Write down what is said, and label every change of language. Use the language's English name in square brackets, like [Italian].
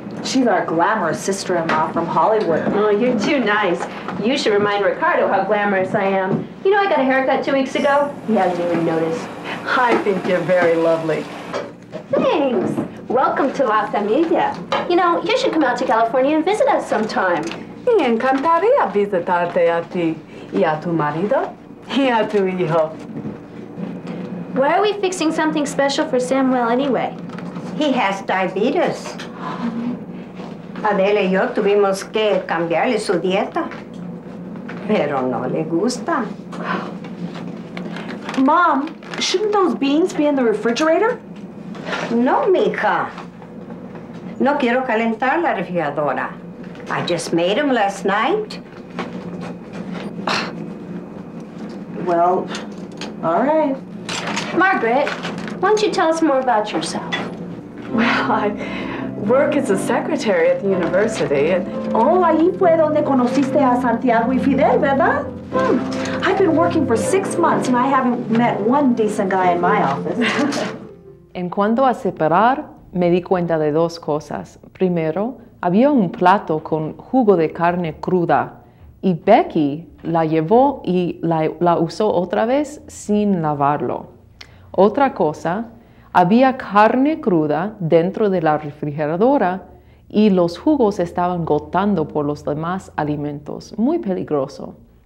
[English] She's our glamorous sister-in-law from Hollywood. Oh, you're too nice. You should remind Ricardo how glamorous I am. You know, I got a haircut 2 weeks ago. He hasn't even noticed. I think you're very lovely. Thanks. Welcome to La Familia. You know, you should come out to California and visit us sometime. [Spanish] Me encantaría visitarte a ti y a tu marido y a tu hijo. [English] Why are we fixing something special for Samuel anyway? He has diabetes. [Spanish] Adele y yo tuvimos que cambiarle su dieta. Pero no le gusta. [English] Mom, shouldn't those beans be in the refrigerator? [Spanish] No, mija. No quiero calentar la refrigeradora. [English] I just made them last night. Well, all right. Margaret, why don't you tell us more about yourself? Well, I work as a secretary at the university. [Spanish] Oh, ahí fue donde conociste a Santiago y Fidel, ¿verdad? Hmm. [English] I've been working for 6 months and I haven't met one decent guy in my office. [Spanish] En cuanto a separar, me di cuenta de dos cosas. Primero, había un plato con jugo de carne cruda y Becky la llevó y la usó otra vez sin lavarlo. Otra cosa, había carne cruda dentro de la refrigeradora y los jugos estaban gotando por los demás alimentos. Muy peligroso.